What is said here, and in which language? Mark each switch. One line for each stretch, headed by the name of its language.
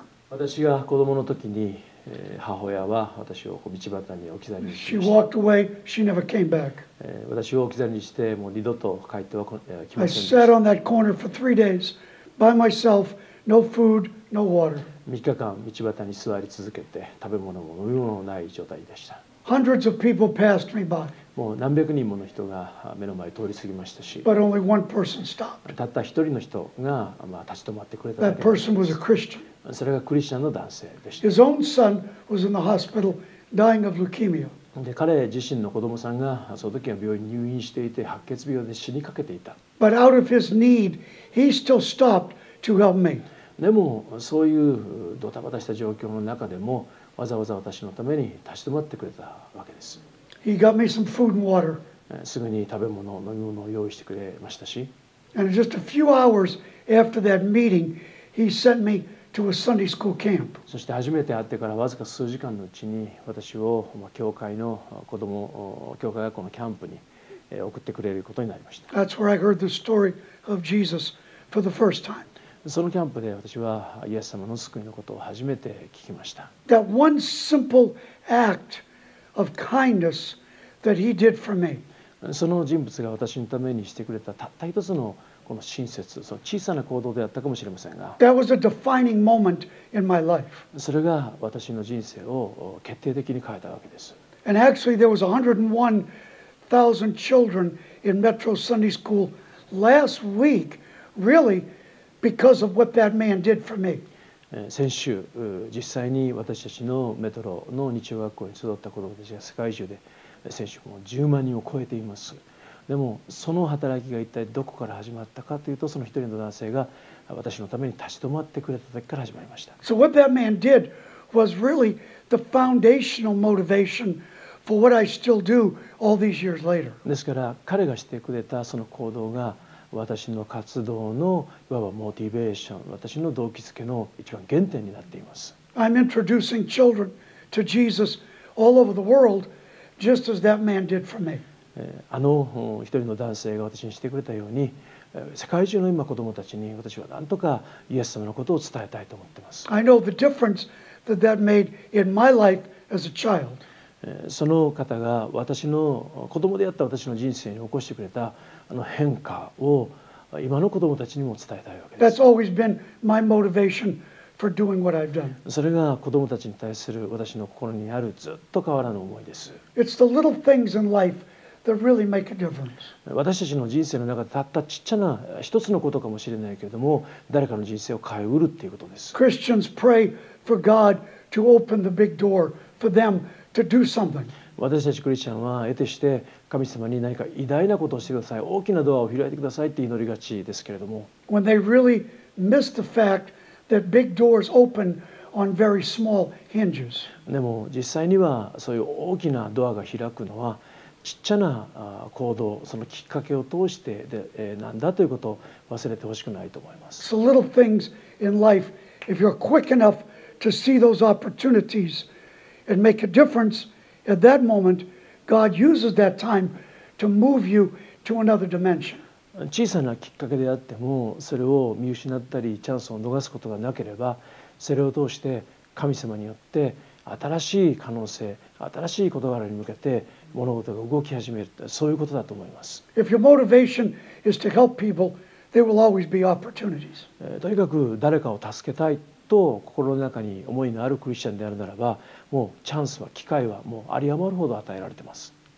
Japanese: 私が子供の時に、母親は私を道端に置き去りにしました。
English: She walked away. She never came back.
Japanese: 私を置き去りにして、もう二度と帰っては来ませんでした。
English: I sat on that corner for three days by myself, no food, no water.
Japanese: 三日間道端に座り続けて、食べ物も飲み物もない状態でした。
English: Hundreds of people passed me by.
Japanese: もう何百人もの人が目の前通り過ぎましたし、
English: But only one person stopped.
Japanese: たった一人の人が、まあ、立ち止まってくれただけです。
English: That person was a Christian.
Japanese: それがクリスチャンの男性でした。
English: His own son was in the hospital dying of leukemia.
Japanese: で、彼自身の子供さんがその時は病院に入院していて、白血病で死にかけていた。
English: But out of his need, he still stopped to help me.
Japanese: でもそういうドタバタした状況の中でも、わざわざ私のために立ち止まってくれたわけです。
English: He got me some food and water.
Japanese: すぐに食べ物、飲み物を用意してくれましたし。
English: And just a few hours after that meeting, he sent me to a Sunday school camp.
Japanese: そして初めて会ってからわずか数時間のうちに、私を教会の子供、教会学校のキャンプに送ってくれることになりました。
English: That's where I heard the story of Jesus for the first time.
Japanese: そのキャンプで私はイエス様の救いのことを初めて聞きました。
English: That one simple act. Of kindness that he did for me.
Japanese: その人物が私のためにしてくれたたった一つのこの親切、その小さな行動であったかもしれませんが、
English: That was a defining moment in my life.
Japanese: それが私の人生を決定的に変えたわけです。
English: And actually, there was 101,000 children in Metro Sunday School last week, really, because of what that man did for me.
Japanese: 先週実際に私たちのメトロの日曜学校に集った子どもたちが世界中で先週も10万人を超えています。でもその働きが一体どこから始まったかというと、その一人の男性が私のために立ち止まってくれた時から始まりました。
English: So what that man did was really the foundational motivation for what I still do all these years later.
Japanese: ですから彼がしてくれたその行動が私の活動のいわばモチベーション、私の動機づけの一番原点になっています。
English: I'm introducing children to Jesus all over the world, just as that man did for me.
Japanese: あの一人の男性が私にしてくれたように、世界中の今子どもたちに私は何とかイエス様のことを伝えたいと思っています。
English: I know the difference that that made in my life as a child.
Japanese: その方が私の子供であった私の人生に起こしてくれたあの変化を今の子供たちにも伝えたいわけです。
English: That's always been my motivation for doing what I've done.
Japanese: それが子供たちに対する私の心にあるずっと変わらぬ思いです。
English: It's the little things in life that really make a difference.
Japanese: 私たちの人生の中でたったちっちゃな一つのことかもしれないけれども、誰かの人生を変えうるっていうことです。
English: Christians pray for God to open the big door for them. To do something.
Japanese: 私たちクリスチャンは得てして神様に何か偉大なことをしてください、大きなドアを開いてくださいって祈りがちですけれども、
English: When they really miss the fact that big doors open on very small hinges.
Japanese: でも実際にはそういう大きなドアが開くのはちっちゃな行動、そのきっかけを通してでなんだということを忘れてほしくないと思います。
English: So little things in life, if you're quick enough to see those opportunities,And make a difference at that moment. God uses that time to move you to another dimension.
Japanese: 小さなきっかけであっても、それを見失ったりチャンスを逃すことがなければ、それを通して神様によって新しい可能性、新しい事柄に向けて物事が動き始める、そういうことだと思います。
English: If your motivation is to help people, There will always be opportunities.
Japanese: とにかく誰かを助けたいと心の中に思いのあるクリスチャンであるならば、もうチャンスは機会はもうあり余るほど与えられています。